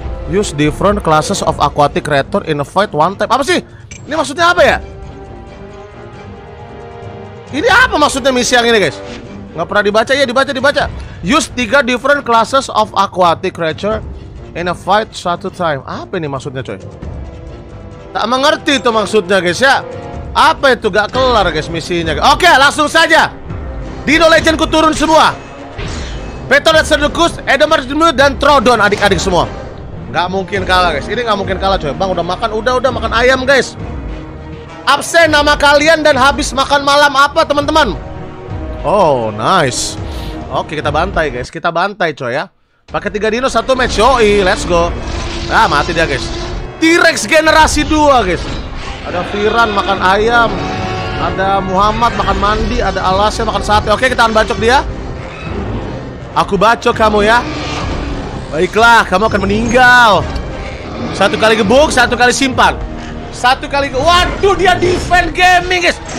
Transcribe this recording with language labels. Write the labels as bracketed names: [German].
[English] Use different classes of aquatic raptor in a fight one time. [Indonesian] Apa sih? Ini maksudnya apa ya? Ini apa maksudnya misi yang ini guys? Gak pernah dibaca, ya dibaca. [English] Use 3 different classes of aquatic creature in a fight satu time. [Indonesian] Apa ini maksudnya coy? Tak mengerti itu maksudnya guys ya. Apa itu gak kelar guys misinya. Oke langsung saja. Dino Legend ku turun semua. Petrodon, Serdukus, Edomardimu, dan Trodon adik-adik semua. Gak mungkin kalah guys, ini gak mungkin kalah coy. Bang udah makan, udah makan ayam guys. Absen nama kalian dan habis makan malam apa teman-teman? Oh nice. Oke kita bantai guys, kita bantai coy ya. Pakai 3 dino 1 match, yoi [English] let's go. [Indonesian] Nah mati dia guys. T-Rex generasi 2 guys. Ada Firan makan ayam. Ada Muhammad makan mandi. Ada Alasya makan sate. Oke kita akan bacok dia. Aku bacok kamu ya. Baiklah kamu akan meninggal. Satu kali gebuk, satu kali simpan. Satu kali ke... Waduh dia defend gaming guys.